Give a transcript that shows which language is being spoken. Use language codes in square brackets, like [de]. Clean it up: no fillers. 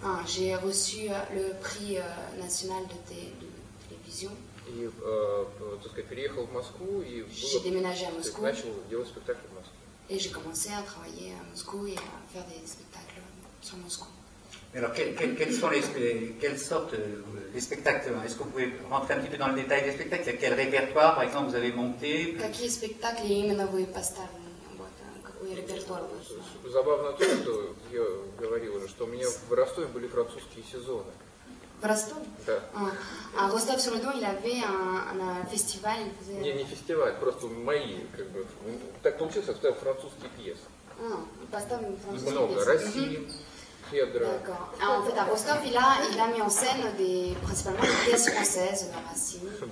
[fr] J'ai reçu le prix national de télévision. [ru] И, так сказать, переехал в Москву и начал делать спектакли в Москве. [fr] Et j'ai commencé à travailler à Moscou et à faire des spectacles sur Moscou. Alors, quelles sortes les spectacles? Est-ce que vous pouvez rentrer un petit peu dans le détail des spectacles? Quel répertoire, par exemple, vous avez monté? [ru] Какие спектакли именно вы поставили? Какой репертуар вы? Забавно то, что я говорил уже, что у меня в Ростове были французские сезоны. В Ростове? Да. А Ростов все равно или вы на фестивале? Не, не фестиваль, просто мои, как бы. Так получилось, я ставил французские пьесы. Поставлю французские пьесы. Много. России. [fr] D'accord. Alors, en fait, à Rostov, il a mis en scène principalement des pièces françaises, la Racine.